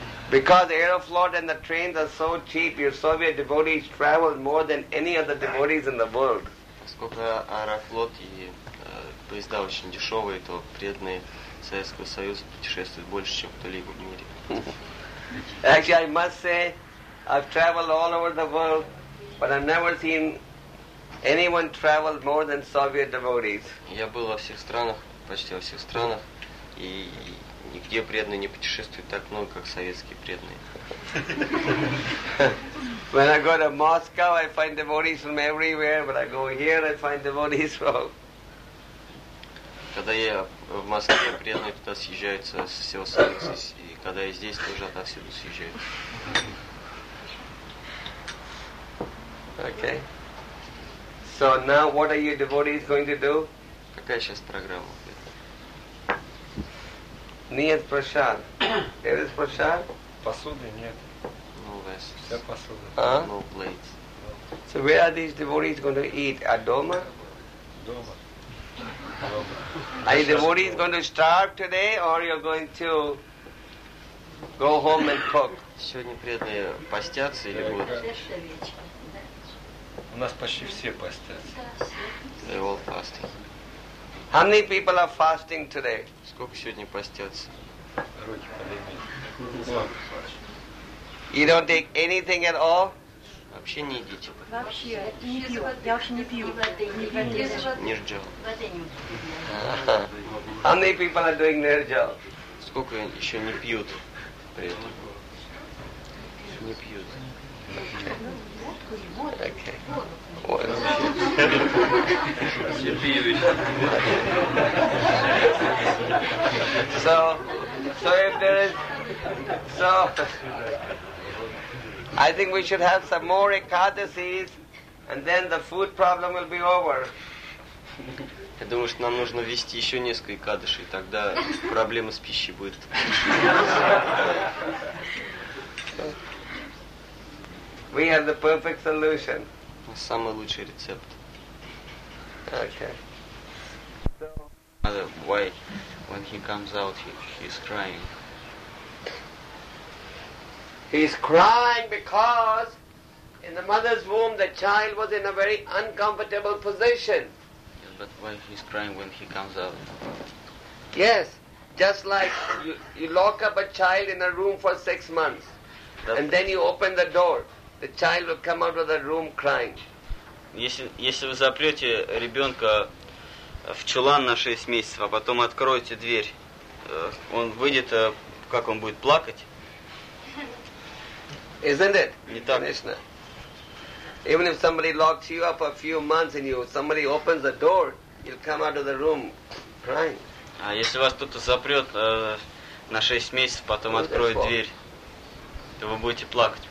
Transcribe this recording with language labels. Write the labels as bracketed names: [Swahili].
[English] Because Aeroflot and the trains are so cheap, your Soviet devotees travel more than any other devotees in the world. [Russian] Сколько Аэрофлот и поезда очень дешевые, то преданные Советского Союза путешествуют больше, чем кто-либо в мире. [English] Actually, I must say, I've traveled all over the world, but I've never seen anyone traveled more than Soviet devotees. [Russian] Я был во всех странах, почти во всех странах, и нигде преданные не путешествуют так много, как советские преданные. [English] When I go to Moscow, I find devotees from everywhere, but I go here, I find devotees from. [Russian] Когда я в Москве, преданные туда съезжаются со всего Союза, и когда я здесь, тоже отовсюду съезжают. [English] Okay. So now, what are your devotees going to do? [Russian] Какая сейчас программа? Нет, Прашад. Это Прашад? Посуды нет. [English] No vessels. [Russian] Вся посуда. [English] No plates. So where are these devotees going to eat? [Russian] At дома? Дома. [English] Are your devotees going to starve today, or you're going to go home and cook? [Russian] Сегодня преданные постятся или будут? У нас почти все постятся. [English] They all fasting. How many people are fasting today? [Russian] Сколько сегодня постятся? Руки поднимите. [English] You don't take anything at all? [Russian] Вообще не едите. Вообще не пью. Я вообще не пью воды. Не ржал. [English] How many people are doing нерджал? [Russian] Сколько еще не пьют при этом? Не пьют. [English] Okay. So, So if there is, so I think we should have some more Ekadasis, and then the food problem will be over. [Russian] Я думаю, что нам нужно ввести еще несколько кадышей, тогда проблема с пищей будет. [English] We have the perfect solution. [Russian] Самый лучший рецепт. [English] Okay. So, why, when he comes out, he's crying. He's crying because in the mother's womb the child was in a very uncomfortable position. But why he's crying when he comes out? Yes, just like you lock up a child in a room for 6 months, and then you open the door, the child will come out of the room crying. [Russian] Если вы запрете ребенка в чулан на 6 месяцев, а потом откроете дверь, он выйдет, как он будет плакать? [English] Isn't it? [Russian] Не так? Конечно. [English] Even if somebody locks you up a few months and somebody opens the door, you'll come out of the room crying. [Russian] А если вас кто-то запрет на 6 месяцев, потом откроет дверь, то вы будете плакать.